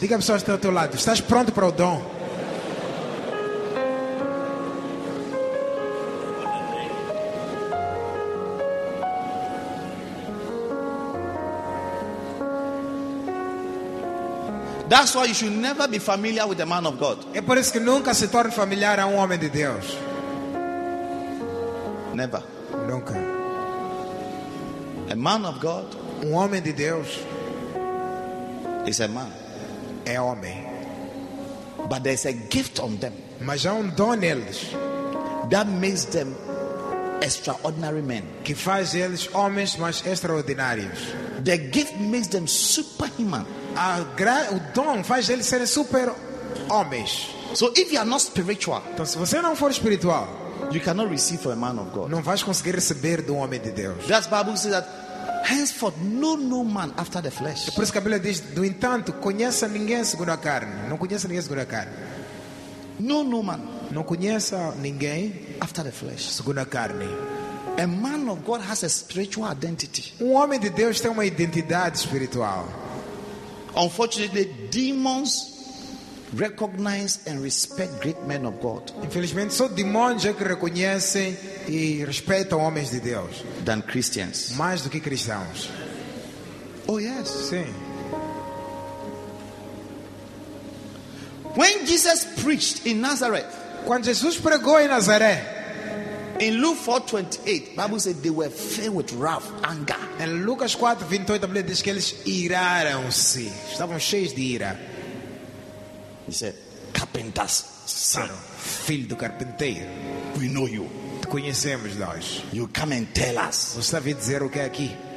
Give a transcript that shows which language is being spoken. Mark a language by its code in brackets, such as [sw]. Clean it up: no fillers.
[pt] Diga à pessoa que está ao teu lado. Estás pronto para o dom? [en] That's why you should never be familiar with the man of God. [pt] É por isso que nunca se torne familiar a homem de Deus. [en] Never. [pt] Nunca. [en] A man of God. [pt] Homem de Deus. [en] Is a man. [pt] É homem. [en] But there's a gift on them. [pt] Mas há dom neles. [en] That makes them extraordinary men. [pt] Que faz eles homens mais extraordinários. [en] The gift makes them superhuman. [pt] O dom faz eles serem super homens. [en] So if you are not spiritual, [pt] então se você não for espiritual, [en] you cannot receive from a man of God. [pt] Não vais conseguir receber do homem de Deus. [en] That's the Bible says that henceforth know no man after the flesh. [pt] É por isso que a Bíblia diz, do entanto, conheça ninguém segundo a carne. Não conheça ninguém segundo a carne. [en] Know no man. [pt] Não conheça ninguém [en] after the flesh. [pt] Segundo a carne. [en] A man of God has a spiritual identity. [pt] Homem de Deus tem uma identidade espiritual. [en] Unfortunately, demons recognize and respect great men of God. [pt] Infelizmente, só demônios é que reconhecem e respeitam homens de Deus. [en] Than Christians. [pt] Mais do que cristãos. [en] Oh yes. [pt] Sim. [en] When Jesus preached in Nazareth. [pt] Quando Jesus pregou em Nazaré. [en] In Luke 4:28, Bible said they were filled with wrath, anger. [pt] Em Lucas 4:28, a Bíblia diz que eles iraram-se. Estavam cheios de ira. [en] He said, carpenters, son, [pt] filho do carpinteiro, [en] we know you. [pt] Te conhecemos nós. [en] You come and tell us. [pt] Você está a vir dizer o que é aqui?